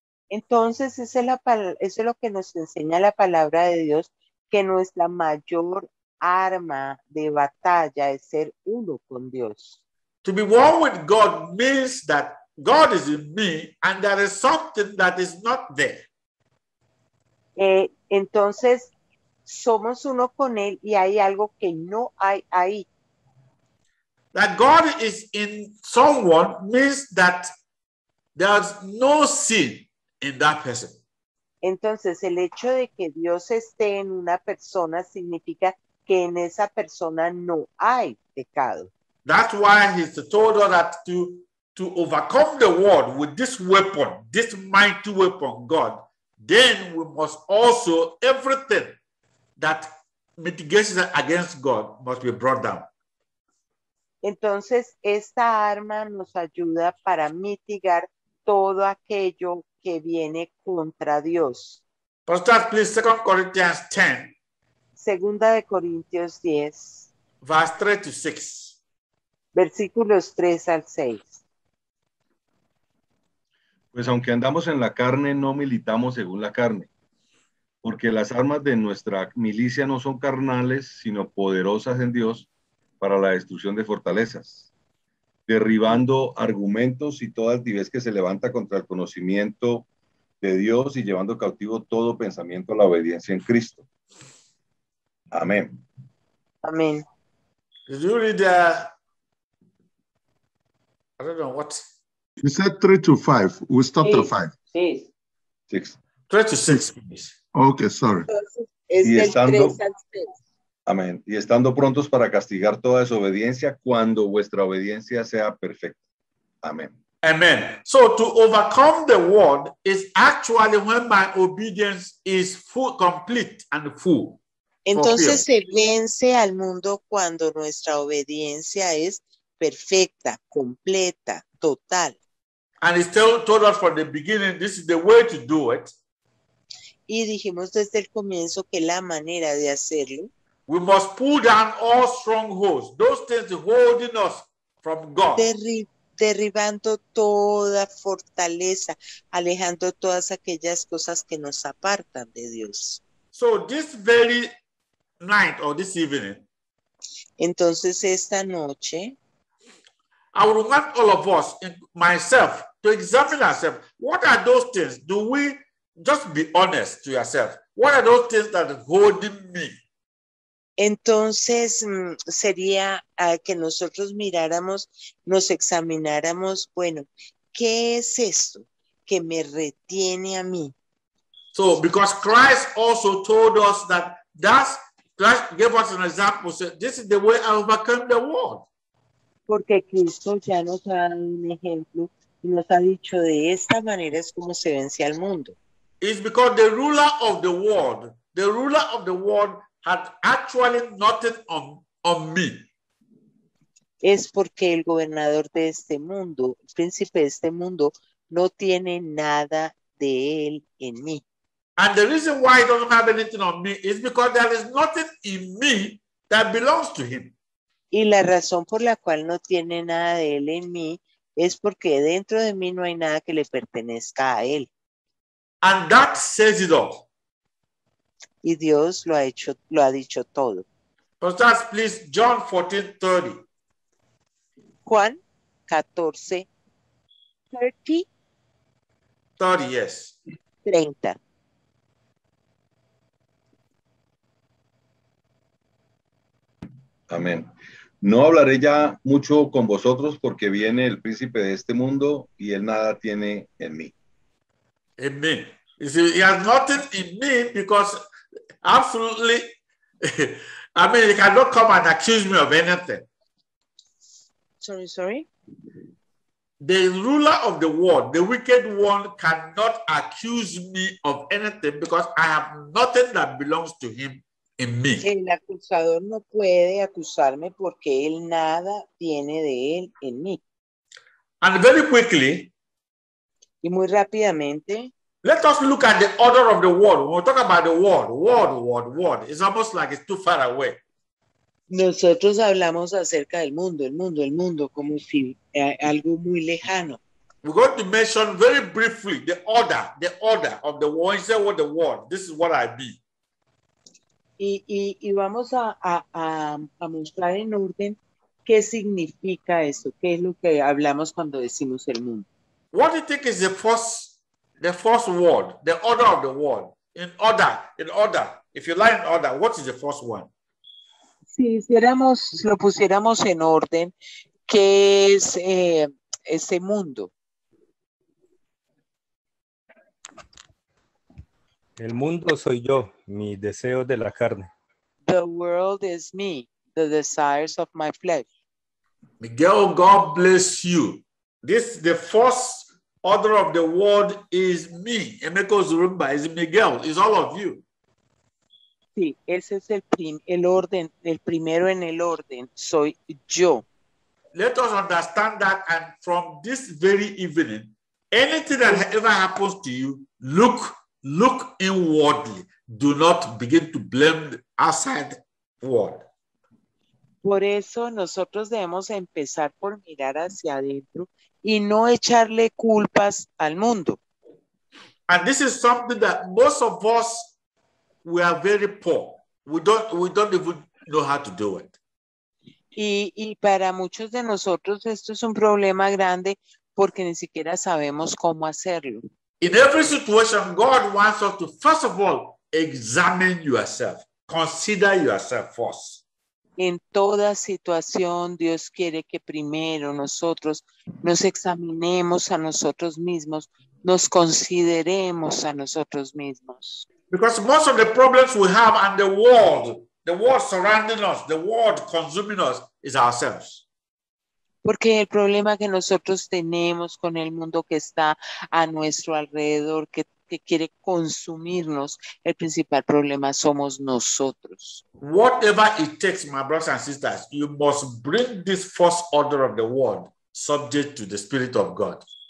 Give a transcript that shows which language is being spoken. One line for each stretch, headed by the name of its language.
Spanish: Entonces, eso es lo que nos enseña la palabra de Dios, que nuestra mayor arma de batalla es ser uno con Dios.
English: To be one with God means that God is in me and there is something that is not there.
Spanish: Entonces, somos uno con él y hay algo que no hay ahí.
English: That God is in someone means that there's no sin in that person.
Spanish: Entonces, el hecho de que Dios esté en una persona significa que en esa persona no hay pecado.
English: That's why he told us that to overcome the world with this weapon, this mighty weapon, God, then we must also, everything that mitigates against God must be brought down.
Spanish: Entonces, esta arma nos ayuda para mitigar todo aquello que viene contra Dios.
English: Pastor, please, 2 Corinthians 10.
Spanish: Segunda de Corintios 10.
English: Verse 3 to 6.
Spanish: Versículos 3 al 6. Pues aunque andamos en la carne, no militamos según la carne, porque las armas de nuestra milicia no son carnales, sino poderosas en Dios para la destrucción de fortalezas, derribando argumentos y toda altivez que se levanta contra el conocimiento de Dios y llevando cautivo todo pensamiento a la obediencia en Cristo. Amén. Amén.
English: Did you read the... I don't know what... You said 3 to 5. We stopped at 5. 6. 6. 3 to 6, please. Okay, sorry.
Spanish: Entonces, estando, 3 al 6. Amén. Y estando prontos para castigar toda desobediencia cuando vuestra obediencia sea perfecta. Amén.
English: Amen. So to overcome the world is actually when my obedience is full, complete and full.
Spanish: Entonces se vence al mundo cuando nuestra obediencia es perfecta, completa. Total.
English: And he still told us from the beginning, this is the way to do it.
Spanish: Y dijimos desde el comienzo que la manera de hacerlo.
English: We must pull down all strongholds, those things holding us from God.
Spanish: Derribando toda fortaleza, alejando todas aquellas cosas que nos apartan de Dios.
English: So this very night or this evening.
Spanish: Entonces esta noche.
English: I would want all of us, myself, to examine ourselves. What are those things? Do we just be honest to yourself? What are those things that are holding me?
Spanish: Entonces, sería que nosotros miráramos, nos examináramos, bueno, ¿qué es esto que me retiene a mí?
English: So, because Christ also told us that that's Christ gave us an example. So this is the way I overcome the world.
Spanish: Porque Cristo ya nos ha dado un ejemplo y nos ha dicho de esta manera es como se vence al mundo.
English: It's because the ruler of the world had actually nothing on me.
Spanish: Es porque el gobernador de este mundo, el príncipe de este mundo, no tiene nada de él en mí.
English: And the reason why he doesn't have anything on me is because there is nothing in me that belongs to him.
Spanish: Y la razón por la cual no tiene nada de él en mí es porque dentro de mí no hay nada que le pertenezca a él.
English: And that says it all.
Spanish: Y Dios lo ha dicho todo.
English: Pastor, please, John 14:30.
Spanish: Juan 14:30. 30. Amén. No hablaré ya mucho con vosotros porque viene el príncipe de este mundo y él nada tiene en mí. En mí.
English: You see, he has nothing in me because absolutely, I mean, he cannot come and accuse me of anything. Sorry. The ruler of the world, the wicked one, cannot accuse me of anything because I have nothing that belongs to him. In me.
Spanish: El acusador no puede acusarme porque él nada tiene de él en mí.
English: And very quickly,
Spanish: y muy rápidamente,
English: let us look at the order of the world. When we talk about the world, it's almost like it's too far away.
Spanish: Nosotros hablamos acerca del mundo, como si algo muy lejano.
English: We're going to mention very briefly the order of the world. Instead of the world, this is what I be.
Spanish: Y vamos a mostrar en orden qué significa eso, qué es lo que hablamos cuando decimos el mundo.
English: What do you think is the first word, the order of the word? In order, if you like order, what is the first one?
Spanish: Si lo pusiéramos en orden, ¿qué es ese mundo? El mundo soy yo, mi deseo de la carne.
English: The world is me, the desires of my flesh. Miguel, God bless you. This, the first order of the world is me. Emeko Zurumba, is Miguel, is all of you.
Spanish: Sí, ese es el orden, el primero en el orden, soy yo.
English: Let us understand that, and from this very evening, anything that ever happens to you, look inwardly. Do not begin to blame the outside world.
Spanish: Por eso nosotros debemos empezar por mirar hacia adentro y no echarle culpas al mundo.
English: And this is something that most of us, we are very poor. We don't even know how to do it.
Spanish: Y para muchos de nosotros esto es un problema grande porque ni siquiera sabemos cómo hacerlo.
English: In every situation, God wants us to, first of all, examine yourself. Consider yourself first.
Spanish: En toda situación, Dios quiere que primero nosotros nos examinemos a nosotros mismos, nos consideremos a nosotros mismos.
English: Because most of the problems we have and the world surrounding us, the world consuming us, is ourselves.
Spanish: Porque el problema que nosotros tenemos con el mundo que está a nuestro alrededor, que quiere consumirnos, el principal problema somos nosotros.
English: Whatever it takes, my brothers and sisters, you must bring this first order of the world subject to the Spirit of God.